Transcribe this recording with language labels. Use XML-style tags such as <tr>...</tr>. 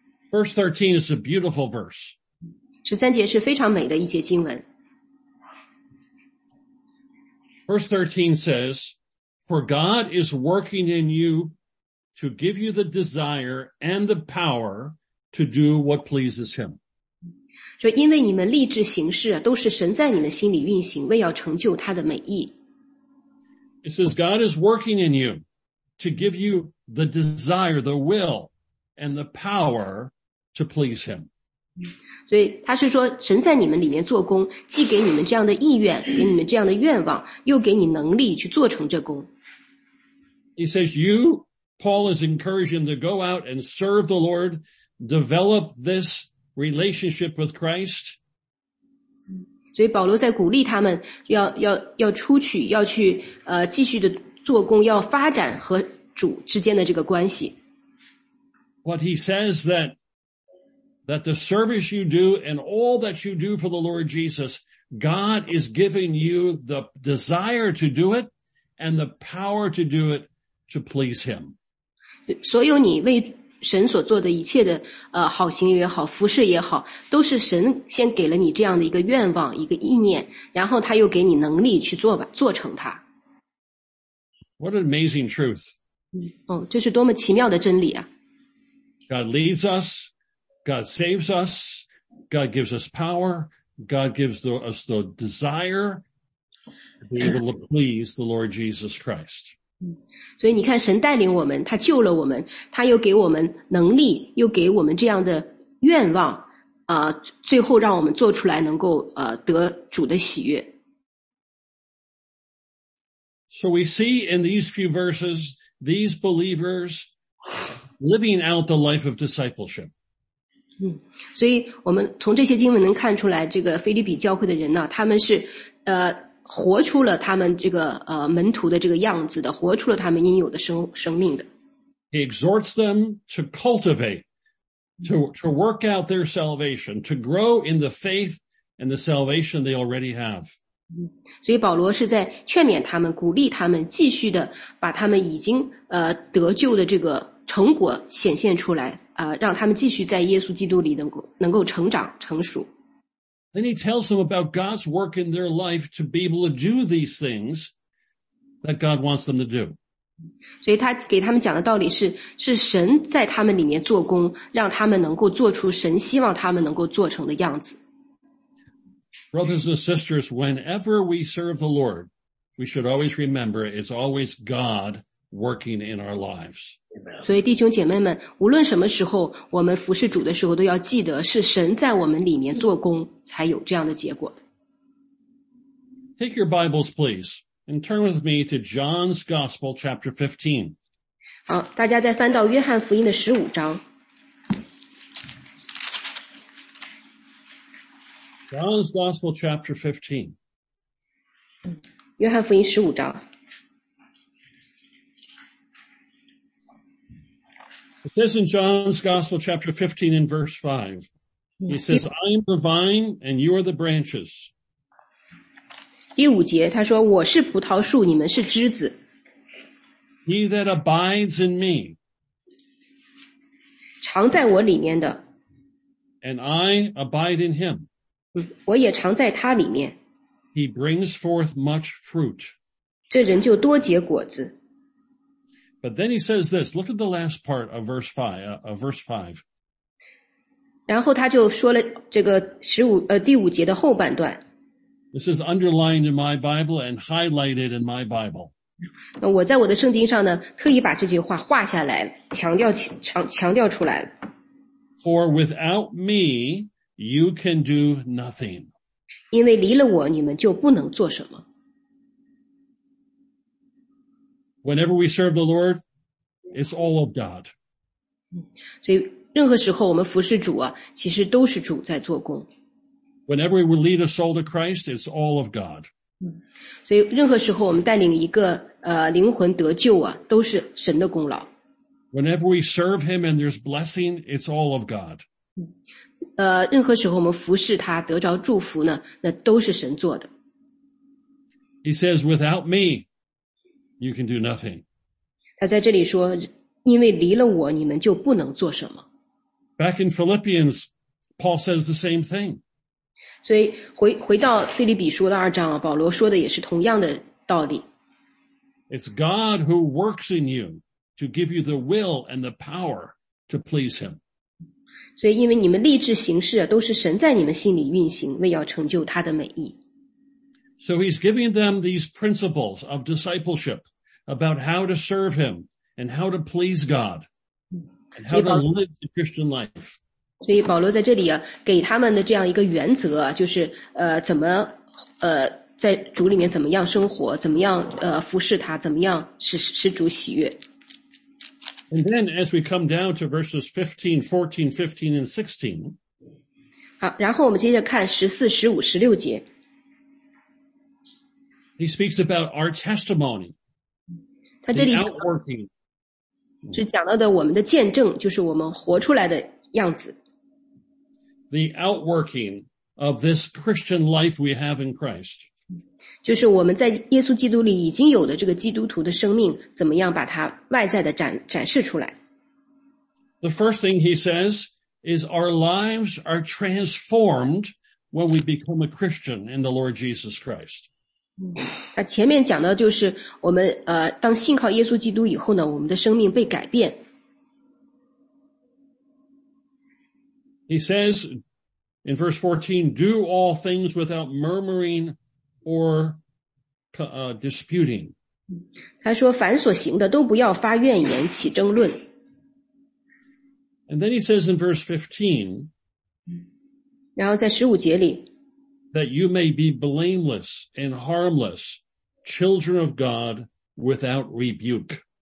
<en>Verse 13 is a beautiful verse.</en> <zh>十三节是非常美的一节经文。</zh> <en>Verse 13 says, For God is working in you,to give you the desire and the power to do what pleases him.</en> <zh>说因为你们立志行事都是神在你们心里运行，为要成就他的美意。</zh> <en>It says God is working in you to give you the desire, the will, and the power to please him.</en> <zh>所以他是说神在你们里面做工，既给你们这样的意愿，给你们这样的愿望，又给你能力去做成这工。</zh> <en>He says you,Paul is encouraging them to go out and serve the Lord, develop this relationship with Christ.</en> <zh>所以保罗在鼓励他们要出去，要去继续的做工，要发展和主之间的这个关系。</zh> <en>What he says that the service you do and all that you do for the Lord Jesus, God is giving you the desire to do it and the power to do it to please him.</en> <zh>所有你为神所做的一切的好行也好，服侍也好，都是神先给了你这样的一个愿望，一个意念，然后他又给你能力去做吧，做成它。</zh> <en>What an amazing truth.</en> <zh>这是多么奇妙的真理啊。</zh> <en>God leads us, God saves us, God gives us power, God gives us the desire to be able to please the Lord Jesus Christ.</en> <zh>所以你看神带领我们，他救了我们，他又给我们能力，又给我们这样的愿望最后让我们做出来能够得主的喜悦。</zh> <en>So we see in these few verses, these believers living out the life of discipleship.</en> <zh>所以我们从这些经文能看出来，这个腓立比教会的人呢，他们是活出了他们这个门徒的这个样子的，活出了他们应有的生命的。</zh> <en>He exhorts them to cultivate, to work out their salvation, to grow in the faith and the salvation they already have.</en> <zh>所以保罗是在劝勉他们，鼓励他们继续的把他们已经得救的这个成果显现出来，让他们继续在耶稣基督里能够成长成熟。</zh> <en>Then he tells them about God's work in their life to be able to do these things that God wants them to do.</en> <zh>所以他给他们讲的道理是神在他们里面做工，让他们能够做出神希望他们能够做成的样子。</zh> <en>Brothers and sisters, whenever we serve the Lord, we should always remember it's always God working in our lives.</en> <zh>所以弟兄姐妹们，无论什么时候我们服侍主的时候，都要记得是神在我们里面做工才有这样的结果。</zh> <en>Take your Bibles, please, and turn with me to John's Gospel, chapter 15.</en> <zh>好，大家再翻到约翰福音的15章。</zh> <en>John's Gospel, chapter 15.</en> <zh>约翰福音十五章。</zh> <en>It says in John's Gospel, chapter 15, in verse 5, he says, I am the vine, and you are the branches.</en> <zh>第五节，他说，我是葡萄树，你们是枝子。</zh> <en>He that abides in me,</en> <zh>常在我里面的。</zh> <en>And I abide in him.</en> <zh>我也常在他里面。</zh> <en>He brings forth much fruit.</en> <zh>这人就多结果子。</zh> <en>But then he says this, look at the last part of verse 5.</en> <zh>然后他就说了这个第五节的后半段。</zh> <en>This is underlined in my Bible and highlighted in my Bible.</en> <zh>我在我的圣经上呢，特意把这句话画下来，强调出来。</zh> <en>For without me, you can do nothing.</en> <zh>因为离了我，你们就不能做什么。</zh> <en>Whenever we serve the Lord, it's all of God.</en> <zh>所以任何时候我们服侍主啊，其实都是主在做工。</zh> <en>Whenever we lead a soul to Christ, it's all of God.</en> <zh>所以任何时候我们带领一个灵魂得救啊，都是神的功劳。</zh> <en>Whenever we serve Him and there's blessing, it's all of God.</en> <zh>任何时候我们服侍他得着祝福呢，那都是神做的。</zh> <en>He says, without me,You can do nothing.</en> <zh>他在这里说，因为离了我，你们就不能做什么。</zh> <en>Back in Philippians, Paul says the same thing.</en> <zh>所以回到腓立比书的二章，保罗说的也是同样的道理。</zh> <en>It's God who works in you to give you the will and the power to please Him.</en> <zh>所以因为你们立志行事，都是神在你们心里运行，为要成就他的美意。</zh> <en>So he's giving them these principles of discipleship about how to serve him and how to please God and how to live the Christian life.</en> <zh>所以保罗在这里啊，给他们的这样一个原则啊，就是怎么在主里面怎么样生活，怎么样服侍他，怎么样使主喜悦。</zh> <en>And then as we come down to verses 15, 14, 15, and 16.</en> <zh>好，然后我们接着看14、15、16节。</zh> <en>He speaks about our testimony, the outworking.</en> <zh>是讲到的我们的见证，就是我们活出来的样子。</zh> <en>The outworking of this Christian life we have in Christ.</en> <zh>就是我们在耶稣基督里已经有的这个基督徒的生命，怎么样把它外在的展示出来。</zh> <en>The first thing he says is our lives are transformed when we become a Christian in the Lord Jesus Christ.</en> <zh>他前面讲的就是我们当信靠耶稣基督以后呢，我们的生命被改变。</zh> <en>He says in verse 14, do all things without murmuring or disputing.</en> <zh>他说凡所行的都不要发怨言起争论。</zh> <en>And then he says in verse 15,</en> <zh>然后在十五节里</zh> <en>that you may be blameless and harmless, children of God without rebuke.</en>